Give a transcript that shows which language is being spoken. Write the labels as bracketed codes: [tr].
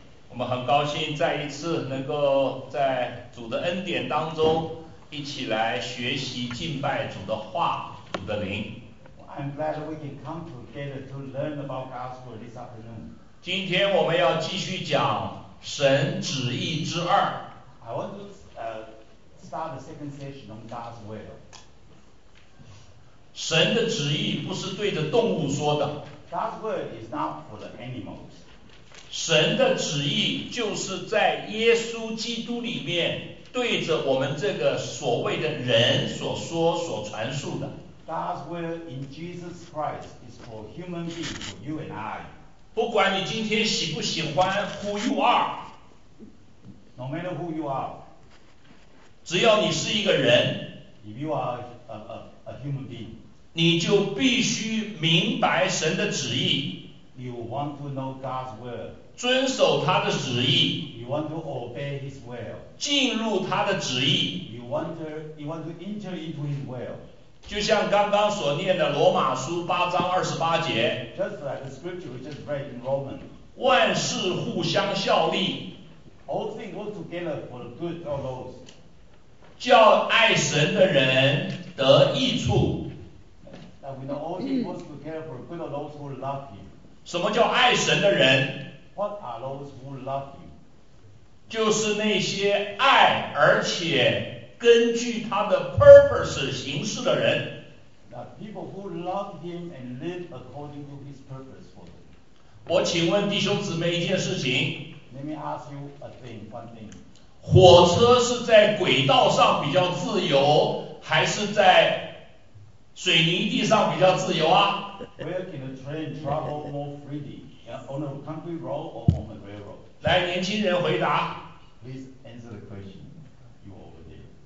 [zh] 我们很高兴再一次能够在主的恩典当中一起来学习敬拜主的话，主的灵。 [en] I'm glad we can come together to learn about God's word this afternoon. [zh] 今天我们要继续讲神旨意之二。 [en] I want to start the second session on God's will. [zh] 神的旨意不是对着动物说的。 [en] God's word is not for the animals. [zh] 神的旨意就是在耶稣基督里面对着我们这个所谓的人所说所传述的。 [en] God's word in Jesus Christ is for human beings, for you and I. [zh] 不管你今天喜不喜欢 [en] who you are, no matter who you are, [zh] 只要你是一个人， [en] if you are a human being, [zh] 你就必须明白神的旨意。 [en] You want to know God's will. [zh] 遵守他的旨意。 [en] You want to obey His will. [zh] 进入他的旨意。 [en] You want to enter into His will. [zh] 就像刚刚所念的罗马书八章二十八节。 [en] Just like the scripture we just read in Romans. [zh] 万事互相效力。 [en] All things work together for the good of those. [zh] 叫爱神的人得益处。 [en] That we know all things work together for good of those who love you. [zh] 什么叫爱神的人？ [en] What are those who love you? [zh] 就是那些爱而且根据他的 purpose 行事的人。 [en] The people who love him and live according to his purpose for them. [zh] 我请问弟兄姊妹一件事情。 [en] Let me ask you a thing, one thing. [zh] 火车是在轨道上比较自由还是在水泥地上比较自由啊？ [en] Where can a train travel more freely? On a country road or on the railroad? [zh] 来，年轻人回答。 [en] Please answer the question. You over there.